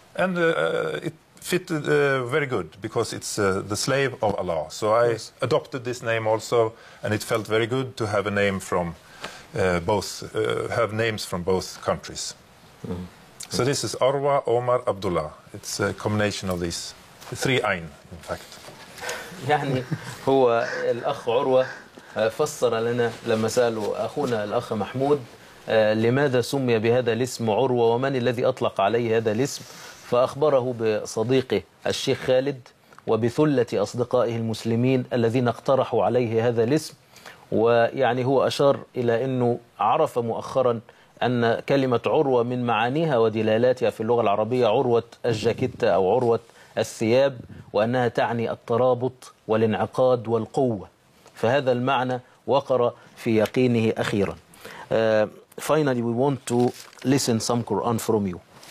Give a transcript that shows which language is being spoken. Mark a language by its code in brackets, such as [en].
[en] And it fitted very good because it's the slave of Allah. So I yes. adopted this name also, and it felt very good to have a name from both, have names from both countries. Mm. So this is Orwa Omar Abdullah. It's a combination of these three Ayn, in fact. [ar] يعني هو الأخ عروة فسر لنا لما سألوا أخونا الأخ محمود لماذا سمي بهذا الاسم عروة ومن الذي أطلق عليه هذا الاسم، فأخبره بصديقه الشيخ خالد وبثلة أصدقائه المسلمين الذين اقترحوا عليه هذا الاسم. ويعني هو أشار إلى أنه عرف مؤخرا أن كلمة عروة من معانيها ودلالاتها في اللغة العربية عروة الجاكيت أو عروة الثياب، وأنها تعني الترابط والانعقاد والقوة، فهذا المعنى وقر في يقينه أخيرا. [en] Finally, we want to listen some Quran from you.